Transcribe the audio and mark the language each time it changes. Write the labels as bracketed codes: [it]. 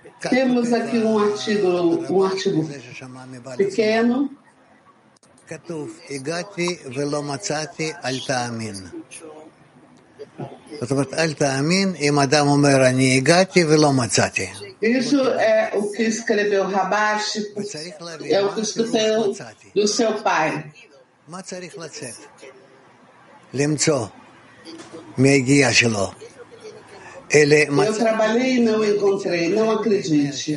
[pt] Temos aqui um artigo pequeno. [he] כתוב, הגעתי ולא מצאתי, אל תאמין. זאת אומרת, אל תאמין אם אדם אומר, אני הגעתי ולא מצאתי. [pt] Isso é o que escreveu Rabash, é o que escreveu do seu pai. [he] מה צריך לצאת? למצוא מהגיעה שלו. [pt] Eu trabalhei e não encontrei, não acredite.